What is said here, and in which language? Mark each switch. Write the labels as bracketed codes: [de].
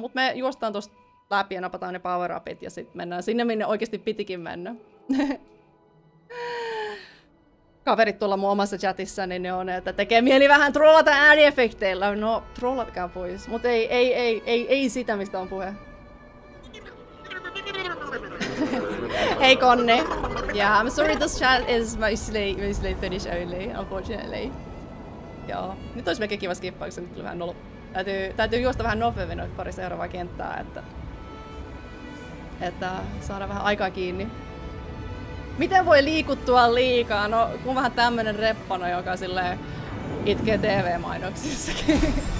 [fi] Mut me juostaan tosta läpi ja napataan ne power upit ja sit mennään sinne, minne oikeesti pitikin mennä. Kaverit tuolla mun omassa chatissa, niin ne on, että tekee mieli vähän trollata ääniefekteillä. No, trollatkaa pois. Mut ei sitä, mistä on puhe. [en] Hey Conne. Yeah, I'm sorry this chat is mostly Finnish only, unfortunately. [fi] Joo. Nyt olisi melkein kiva skippaa, kun se nyt tuli vähän nolo. Täytyy juosta vähän nopeammin noin pari seuraavaa kenttää, että saada vähän aikaa kiinni. Miten voi liikuttua liikaa? No, kun vähän tämmönen reppano, joka silleen itkee TV-mainoksissakin.